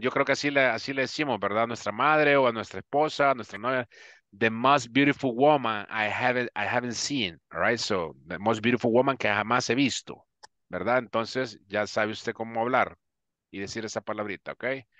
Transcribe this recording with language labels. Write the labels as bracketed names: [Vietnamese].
[Spanish] Yo creo que así le decimos, ¿verdad? A nuestra madre o a nuestra esposa, a nuestra novia. [English] The Most Beautiful Woman I haven't seen, right? So, The Most Beautiful Woman [Spanish] que jamás he visto, ¿verdad? Entonces, ya sabe usted cómo hablar y decir esa palabrita, ¿ok?